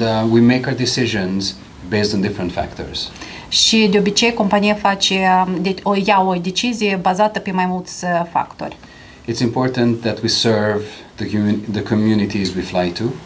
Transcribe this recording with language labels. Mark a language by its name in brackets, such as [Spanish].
[English] We make our decisions based on different factors. [Romanian] Și de obicei compania face, ia o decizie bazată pe mai mulți factori. [English] It's important that we serve the communities we fly to.